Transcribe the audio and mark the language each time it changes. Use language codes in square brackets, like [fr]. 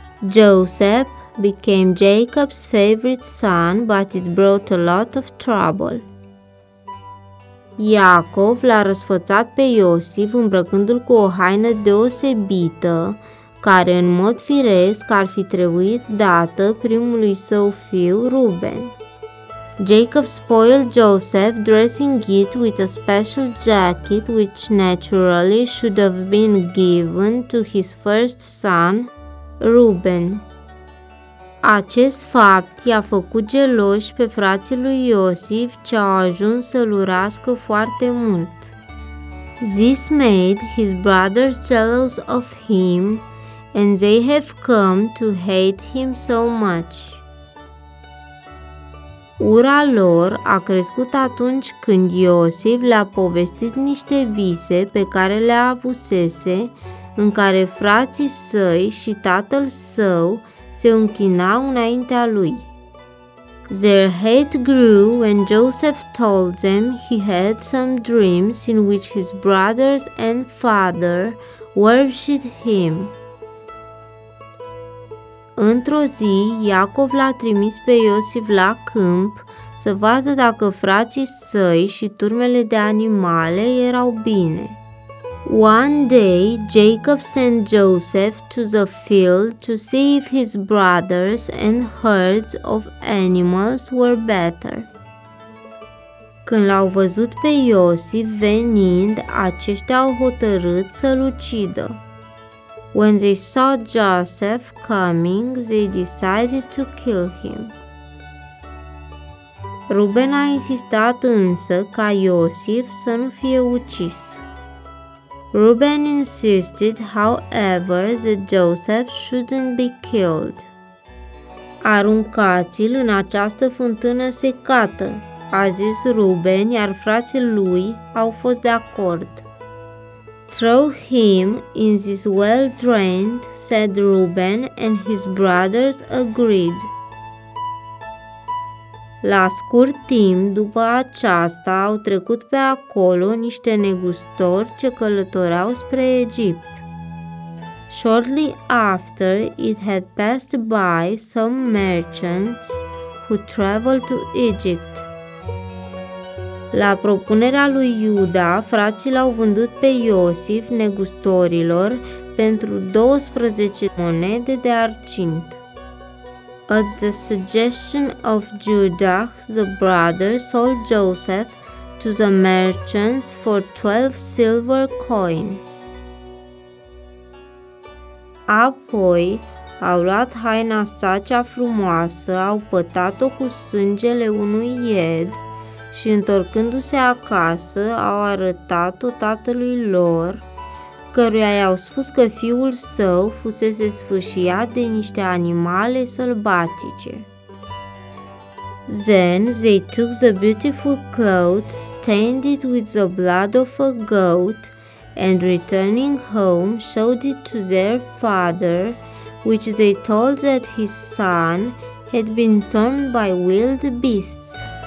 [en] Joseph became Jacob's favorite son, but it brought a lot of trouble. [ro] Iacov l-a răsfățat pe Iosif îmbrăcându-l cu o haină deosebită, care în mod firesc ar fi trebuit dată primului său fiu, Ruben. [en] Jacob spoiled Joseph, dressing it with a special jacket which naturally should have been given to his first son, Reuben. [ro] Acest fapt i-a făcut geloși pe frații lui Iosif, ce au ajuns să-l urască foarte mult. [en] This made his brothers jealous of him, and they have come to hate him so much. [ro] Ura lor a crescut atunci când Iosif le-a povestit niște vise pe care le-a avusese, în care frații săi și tatăl său se închinau înaintea lui. [en] Their hate grew when Joseph told them he had some dreams in which his brothers and father worshipped him. [ro] Într-o zi, Iacov l-a trimis pe Iosif la câmp să vadă dacă frații săi și turmele de animale erau bine. [en] One day, Jacob sent Joseph to the field to see if his brothers and herds of animals were better. [ro] Când l-au văzut pe Iosif venind, aceștia au hotărât să-l ucidă. [en] When they saw Joseph coming, they decided to kill him. [ro] Ruben a insistat însă ca Iosif să nu fie ucis. [en] Ruben insisted, however, that Joseph shouldn't be killed. [ro] Aruncați-l în această fântână secată, a zis Ruben, iar frații lui au fost de acord. [en] Throw him in this well drained, said Reuben, and his brothers agreed. [ro] La scurt timp după aceasta au trecut pe acolo niște negustori ce călătoreau spre Egipt. [en] Shortly after it had passed by some merchants who traveled to Egypt. [ro] La propunerea lui Iuda, frații l-au vândut pe Iosif negustorilor pentru 12 monede de argint. [en] At the suggestion of Judah, the brother sold Joseph to the merchants for 12 silver coins. [ro] Apoi, au luat haina sa cea frumoasă, au pătat-o cu sângele unui ied și, întorcându-se acasă, au arătat-o tatălui lor, căruia i-au spus că fiul său fusese sfâșiat de niște animale sălbatice. [en] Then they took the beautiful clothes, stained it with the blood of a goat, and returning home, showed it to their father, which they told that his son had been torn by wild beasts.